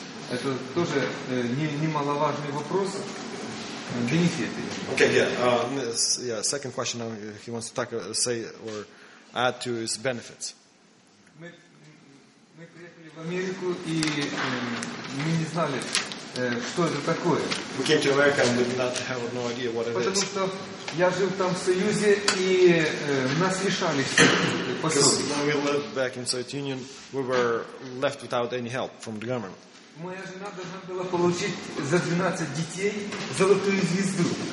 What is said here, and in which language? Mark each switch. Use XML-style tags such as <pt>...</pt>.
<ru>Это тоже немаловажный вопрос. Бенефиты.</ru> <en>Okay, yeah. Second question he wants to talk, say or add to is benefits.</en> <ru>Мы приехали в Америку и мы не знали, что это такое.</ru> <en>We came to America and did not have no idea what it</en> <ru>Потому</ru> <en>is.</en> <ru>Потому что я жил там в Союзе и нас лишали пособий.</ru> <en>Because when we lived back in Soviet Union, we were left without any help from the government.</en> <ru>Моя жена должна была получить за 12 детей золотую звезду.</ru>